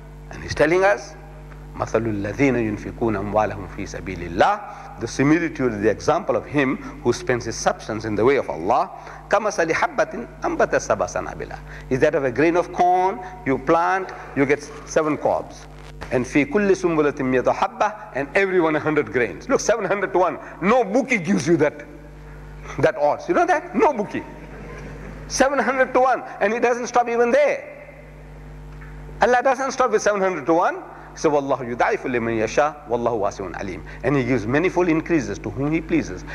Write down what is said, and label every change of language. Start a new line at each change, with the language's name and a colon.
English: And he's telling us,
Arabic: مَثَلُ الَّذِينَ يُنْفِقُونَ أَمْوَالَهُمْ فِي سَبِيلِ اللَّهِ
English: The similitude, the example of him who spends his substance in the way of Allah,
Arabic: كَمَثَلِ حَبَّةٍ أَنْبَتَ سَبَى سَنَابِلَ
English: Is that of a grain of corn, you plant, you get 7 cobs. And
Arabic: فِي كُلِّ سُنْبُلَةٍ مِيَةُ حَبَّةٍ
English: And everyone 100 grains. Look, 700 to 1. No bookie gives you that odds. You know that? No bookie. 700 to 1. And it doesn't stop even there. Allah doesn't stop with 700 to 1. So
Arabic: Wallahu yudaifu liman yasha, Wallahu wasi'un alim.
English: And he gives manifold increases to whom he pleases.